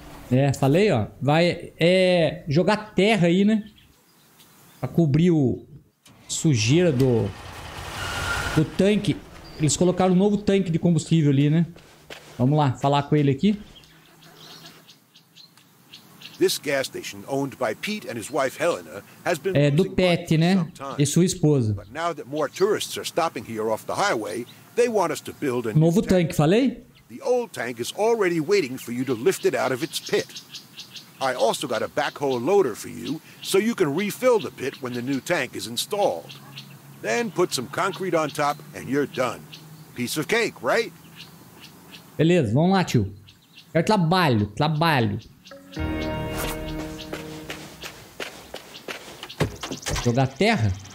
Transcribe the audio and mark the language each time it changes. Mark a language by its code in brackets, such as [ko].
[pt] É, falei, ó. Vai jogar terra aí, né? Pra cobrir o sujeira do tanque. Eles colocaram um novo tanque de combustível ali, né? Vamos lá, falar com ele aqui. [en] This gas station owned by Pete and his wife Helena has been [pt] do Pet, né? E sua esposa. [en] But now that more tourists are stopping here off the highway, they want us to build a [pt] novo tanque, falei? [en] The old tank is already waiting for you to lift it out of its pit. I also got a backhoe loader for you so you can refill the pit when the new tank is installed. Then put some concrete on top and you're done. Piece of cake, right? [pt] Beleza, vamos lá, tio. Quero trabalho, trabalho. Jogar terra?